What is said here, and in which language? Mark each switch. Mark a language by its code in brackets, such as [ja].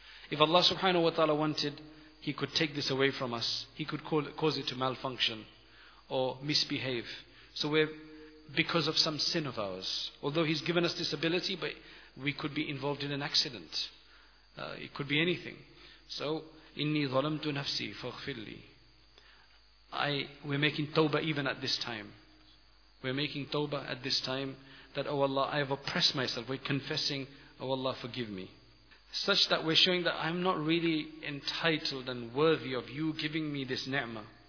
[en] If Allah subhanahu wa ta'ala wanted, He could take this away from us. He could cause it to malfunction or misbehave. So we're because of some sin of ours. Although He's given us this ability, but we could be involved in an accident. It could be anything. [ar] So, إِنِّي ظَلَمْتُ نَفْسِي فَغْفِرْلِي. [en] We're making tawbah even at this time. We're making tawbah at this time that, oh Allah, I have oppressed myself. We're confessing, oh Allah, forgive me. Such that we're showing that I'm not really entitled and worthy of You giving me this ni'mah.